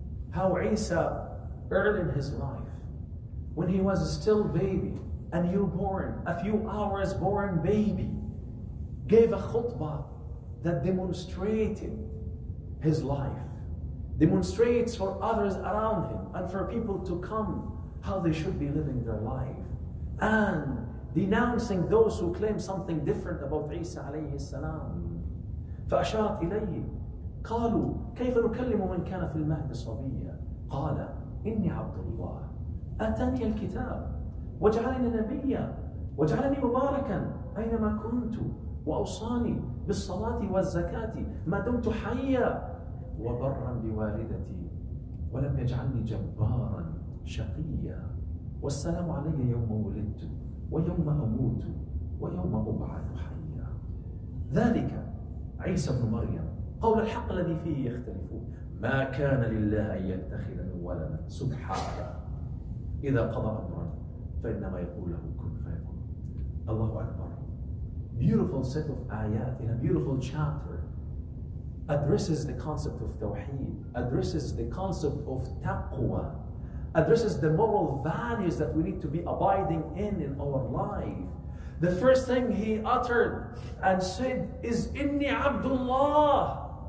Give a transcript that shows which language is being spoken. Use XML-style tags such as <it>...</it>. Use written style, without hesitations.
<en>How Isa, early in his life, when he was still baby, a newborn, a few hours born baby, gave a khutbah that demonstrated his life, demonstrates for others around him and for people to come how they should be living their life, and denouncing those who claim something different about Isa alayhi salam.</en> <ar>فأشارت إليه قالوا كيف نكلم من كان في المهد صبيا قال إني عبد الله أتاني الكتاب وجعلني نبيا وجعلني مباركا أينما كنت وأوصاني بالصلاة والزكاة ما دمت حيا وبرا بوالدتي ولم يجعلني جبارا شقيا والسلام علي يوم ولدت ويوم أموت ويوم أبعث حيا. ذلك عيسى بن مريم قول الحق الذي فيه يختلفون ما كان لله أن يتخذ ولدا سبحانه إذا قضى أمرا فإنما يقول له كن فيكون. الله أكبر.</ar> <en>Beautiful set of ayat in a beautiful chapter addresses the concept of tawheed, addresses the concept of taqwa, addresses the moral values that we need to be abiding in our life. The first thing he uttered and said is</en> <ar>إني عبد الله.</ar>